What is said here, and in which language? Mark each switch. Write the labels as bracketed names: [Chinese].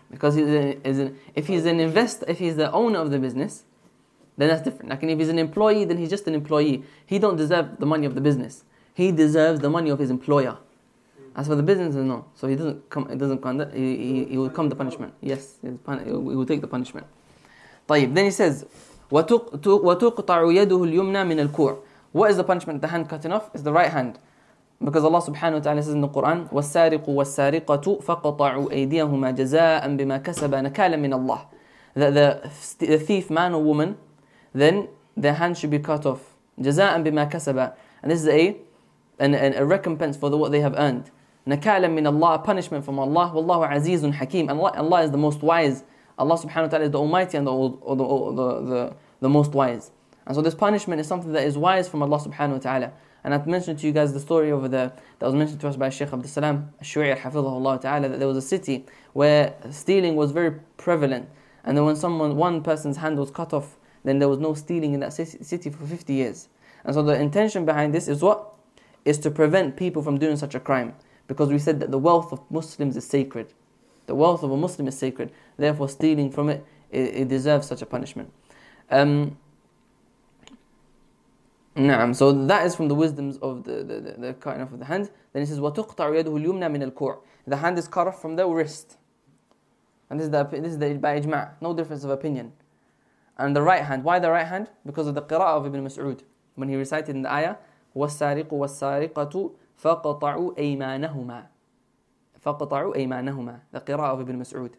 [English] Because if he's the owner of the business, then that's different. Like, and if he's an employee, then he's just an employee. He don't deserve the money of the business. He deserves the money of his employer. As for the business, no. So he doesn't come, he will come the punishment. Yes, he will take the punishment. [Arabic] طيب, [English] then he says, [Arabic] وتقطع يده اليمنى من الكوع. [English] What is the punishment? The hand cutting off? It's the right hand. Because Allah subhanahu wa ta'ala says in the Quran, [Arabic] وَالسَّارِقُ وَالسَّارِقَةُ فَقَطَعُوا أَيْدِيَهُمَا جَزَاءً بِمَا كَسَبَ نَكَالًا مِنَ اللَّهِ. [English] That the thief, man or woman, then their hand should be cut off. [Arabic] جَزَاءً بِمَا كَسَبَ. [English] And this is a recompense for what they have earned. [Arabic] نَكَالًا مِنَ اللَّهِ, [English] a punishment from Allah. [Arabic] وَاللَّهُ عَزِيزٌ حَكِيمٌ. [English] And Allah is the most wise. Allah subhanahu wa ta'ala is the almighty and the most wise. And so this punishment is something that is wise from Allah subhanahu wa ta'ala. And I've mentioned to you guys the story over there that was mentioned to us by Shaykh Abdul Salam Al-Shu'ir, hafidhahu Allah ta'ala, that there was a city where stealing was very prevalent. And then when one person's hand was cut off, then there was no stealing in that city for 50 years. And so the intention behind this is what? Is to prevent people from doing such a crime. Because we said that the wealth of Muslims is sacred. The wealth of a Muslim is sacred. Therefore, stealing from it deserves such a punishment. Naam, so that is from the wisdoms of the cutting off of the hand. Then it says, [Arabic] وَتُقْطَعُ يَدُهُ الْيُمْنَى مِنَ الْكُوعِ. [English] The hand is cut off from the wrist. And this is the by ijma', no difference of opinion. And the right hand, why the right hand? Because of the qira'ah of Ibn Mas'ud. When he recited in the ayah, [Arabic] وَالسَّارِقُ وَالسَّارِقَةُ فَقَطَعُوا أَيْمَانَهُمَا. فَقَطَعُوا أَيْمَانَهُمَا. [English] The qira'ah of Ibn Mas'ud.